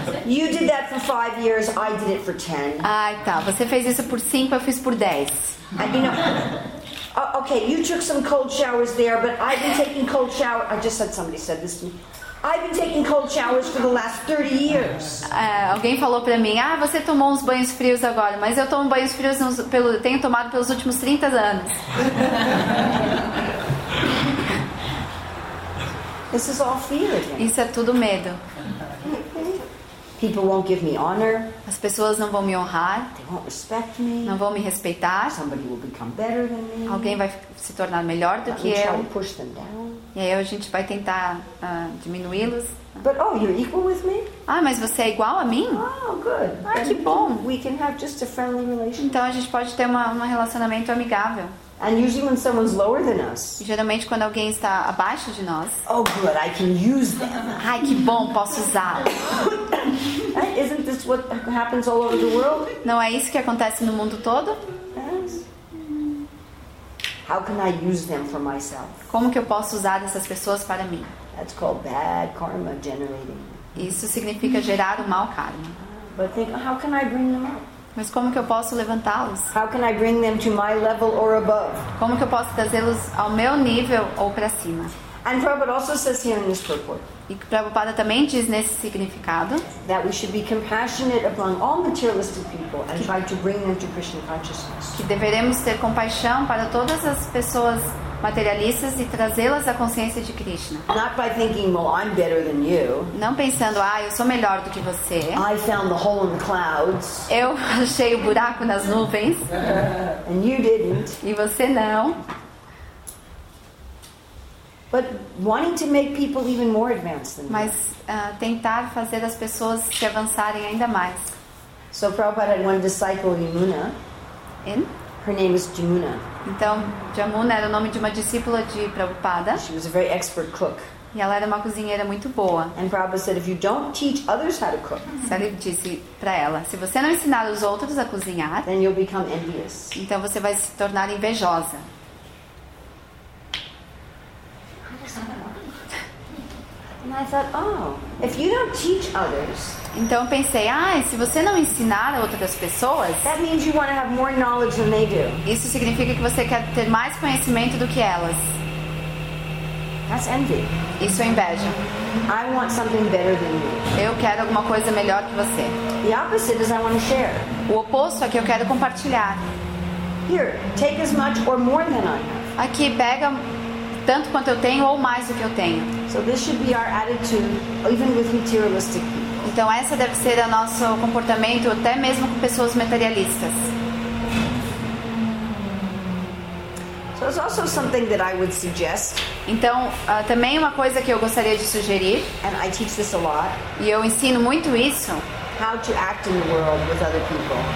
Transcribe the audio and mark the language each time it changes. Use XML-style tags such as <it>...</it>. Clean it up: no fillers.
<en>You did that for 5 years, I did it for 10.</en> <pt>Ai, tá. Você fez isso por 5, eu fiz por 10.</pt> <en>And you know, okay, you took some cold showers there, but I've been taking cold showers. I just had somebody said this to me. I've been taking cold showers for the last 30 years.</en> <pt>Alguém falou para mim, ah, você tomou uns banhos frios agora, mas eu tomo banhos frios tenho tomado pelos últimos 30 anos.</pt> <en>This is all fear again.</en> <pt>Isso é tudo medo.</pt> <en>People won't give me honor.</en> <pt>As pessoas não vão me honrar.</pt> <en>They won't respect me.</en> <pt>Não vão me respeitar.</pt> <en>Somebody will become better than me.</en> <pt>Alguém vai se tornar melhor do que eu.</pt> <en>Try to push them down.</en> <pt>E aí a gente vai tentar diminuí-los.</pt> <en>But, oh, you're equal with me?</en> <pt>Ah, mas você é igual a mim?</pt> <en>Oh, good.</en> <pt>Ah, que bom.</pt> <en>We can have just a friendly relationship.</en> <pt>Então a gente pode ter um relacionamento amigável.</pt> <en>And usually when someone's lower than us.</en> <pt>Geralmente quando alguém está abaixo de nós.</pt> <en>Oh, good, I can use them.</en> <pt>Ai, que bom, posso usá-lo.</pt> <en>Isn't this what happens all over the world?</en> <pt>Não é isso que acontece no mundo todo?</pt> <en>Yes. How can I use them for myself?</en> <pt>Como que eu posso usar essas pessoas para mim?</pt> <en>That's called bad karma generating.</en> <pt>Isso significa gerar o mau karma.</pt> <en>But think, how can I bring them up?</en> <pt>Mas como que eu posso levantá-los?</pt> <en>How can I bring them to my level or above?</en> <pt>Como que eu posso trazê-los ao meu nível ou para cima?</pt> <en>And Prabhupada also says here in this purport.</en> <pt>E Prabhupada também diz nesse significado</pt> <en>that we should be compassionate upon all materialistic people and try to bring them to Krishna consciousness.</en> <pt>Que deveremos ter compaixão para todas as pessoas materialistas e trazê-las à consciência de Krishna.</pt> <en>Not by thinking, well, I'm better than you.</en> <pt>Não pensando, ah, eu sou melhor do que você.</pt> <en>I found the hole in the clouds.</en> <pt>Eu achei o buraco nas nuvens.</pt> <en>And you didn't.</en> <pt>E você não.</pt> <en>But wanting to make people even more advanced than me.</en> <pt>Mas tentar fazer as pessoas se avançarem ainda mais.</pt> <en>So Prabhupada had one disciple, Yamuna. In? Her name is Jamuna.</en> <pt>Então, Jamuna era o nome de uma discípula de Prabhupada.</pt> <en>She was a very expert cook.</en> <pt>E ela era uma cozinheira muito boa.</pt> <en>And Prabhupada said, if you don't teach others how to cook.</en> <pt>Ele disse para ela, se você não ensinar os outros a cozinhar,</pt> <en>then you'll become envious.</en> <pt>Então você vai se tornar invejosa.</pt> <en>And I thought, oh, if you don't teach others.</en> <pt>Então eu pensei, ah, se você não ensinar outras pessoas,</pt> <en>that means you want to have more knowledge than they do.</en> <pt>Isso significa que você quer ter mais conhecimento do que elas.</pt> <en>That's envy.</en> <pt>Isso é inveja.</pt> <en>I want something better than you.</en> <pt>Eu quero alguma coisa melhor que você.</pt> <en>The opposite is I want to share.</en> <pt>O oposto é que eu quero compartilhar.</pt> <en>Here, take as much or more than I have.</en> <pt>Aqui, pega tanto quanto eu tenho ou mais do que eu tenho.</pt> <en>So this should be our attitude, even with materialistic people.</en> <pt>Então essa deve ser o nosso comportamento até mesmo com pessoas materialistas.</pt> <en>So it's also something that I would suggest.</en> <pt>Então também uma coisa que eu gostaria de sugerir.</pt> <en>And I teach this a lot.</en> <pt>E eu ensino muito isso.</pt> <en>How to act in the world with other people.</en>